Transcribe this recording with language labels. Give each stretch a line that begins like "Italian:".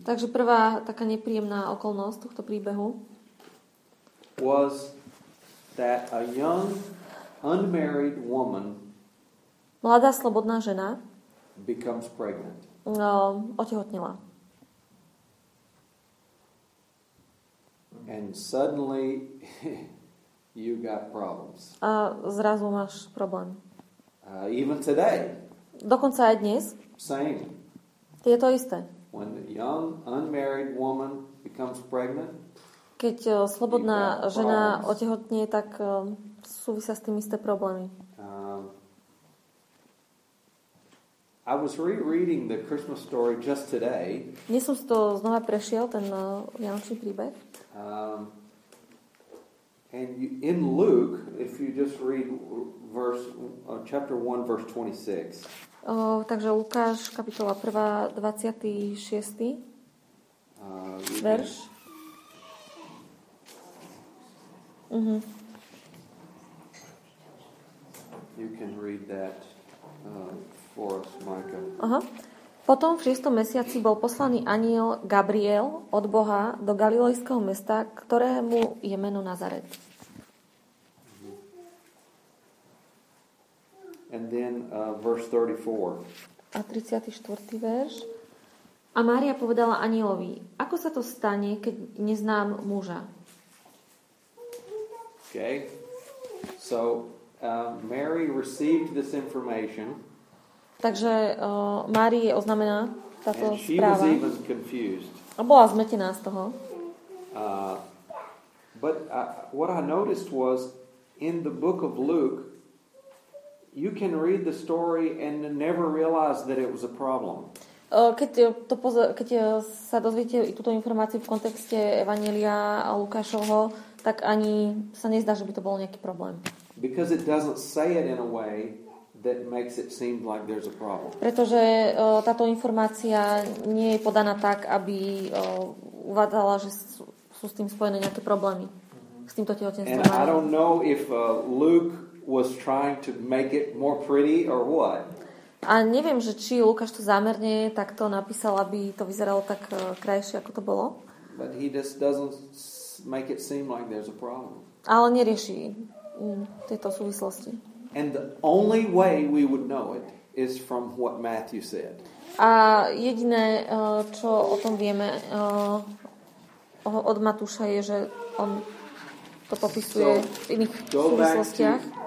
Slovak: Takže prvá taká nepríjemná okolnosť tohto príbehu
English: was that a young unmarried woman,
Slovak: mladá slobodná žena,
English: becomes pregnant.
Slovak: Otehotnila.
English: And suddenly you got problems.
Slovak: A zrazu máš problém.
English: Even today.
Slovak: Dokonca aj dnes.
English: Same.
Slovak: Je to isté.
English: When a young unmarried woman becomes pregnant,
Slovak: keď slobodná žena otehotnie, tak súvisia s tým isté problémy.
English: I was rereading the Christmas story just today.
Slovak: Nie som si to znova prešiel, ten vianočný príbeh.
English: And you, in Luke, if you just read verse chapter 1 verse 26.
Slovak: Takže Lukáš kapitola 1 26. Verš.
English: You can read that for us, Micah.
Slovak: Aha. Potom v 6. mesiaci bol poslaný anjel Gabriel od Boha do galilejského mesta, ktorému je meno Nazaret.
English: And then verse 34.
Slovak: A 34. verš. A Mária povedala anjelovi: "Ako sa to stane, keď neznám muža?"
English: Okay. So Mary received this information.
Slovak: Takže Márii je oznamená táto správa.
English: And she was even confused.
Slovak: A bola zmetená z toho.
English: But what I noticed was in the book of Luke you can read the story and never realize that it was a problem.
Slovak: Keď sa dozviete túto informáciu v kontexte Evanjelia a Lukášovho, tak ani sa nezdá, že by to bol nejaký problém.
English: Because it doesn't say it in a way that makes it seem like there's a problem.
Slovak: Pretože táto informácia nie je podaná tak, aby uvádzala, že sú s tým spojené nejaké problémy. S týmto tehotenstvom.
English: And I don't know if Luke was trying to make it more pretty or what.
Slovak: A neviem, že či Lukáš to zámerne takto napísal, aby to vyzeralo tak krajšie, ako to bolo.
English: But he just doesn't make it seem like there's a problem.
Slovak: Ale nerieši tieto súvislosti.
English: And the only way we would know it is from what Matthew said.
Slovak: A jediné, čo o tom vieme od Matúša je, že on to popisuje v iných súvislostiach.